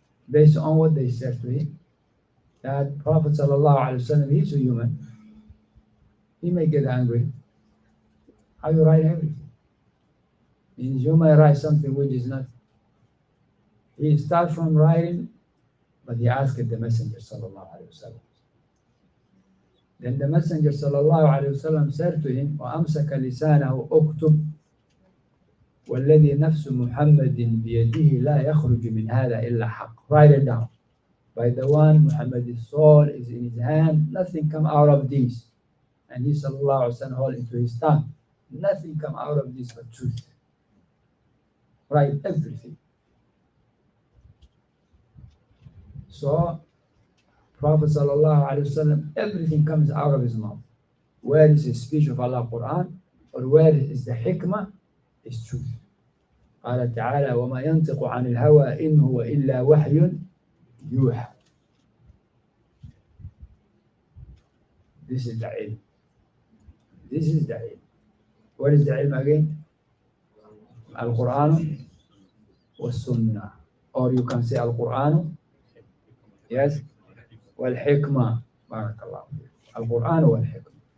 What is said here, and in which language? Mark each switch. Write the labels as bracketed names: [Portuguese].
[English] Based on what they said to him, that Prophet sallallahu alaihi wasallam, he's a human. He may get angry. How you write everything? Means you may write something which is not. He stopped from writing, but he asked the Messenger sallallahu alaihi wasallam. Then the Messenger sallallahu alaihi wasallam said to him, [Arabic] وَأَمْسَكَ لِسَانَهُ أُكْتُبْ وَالَّذِي نَفْسُ مُحَمَّدٍ بِيَدِهِ لَا يَخْرُجُ مِنْ هَذَا إِلَّا حَقٌّ. [English] Write it down. By the one Muhammad's soul is in his hand, nothing come out of this. And he sallallahu alaihi wasallam hold into his tongue. Nothing come out of this but truth. Write everything. So Prophet sallallahu alaihi wasallam, everything comes out of his mouth. Where is his speech of Allah Quran, or where is the hikmah? Is truth. [Arabic] قال تعالى وما ينطق عن الهوى إن هو إلا وحي يوحى. [English] This is the علم. This is the علم. What is the علم again? [Arabic] القرآن والسنة. [English] Or you can say القرآن. [Arabic] Yes. والحكمة. بارك الله فيك. القرآن والحكمة.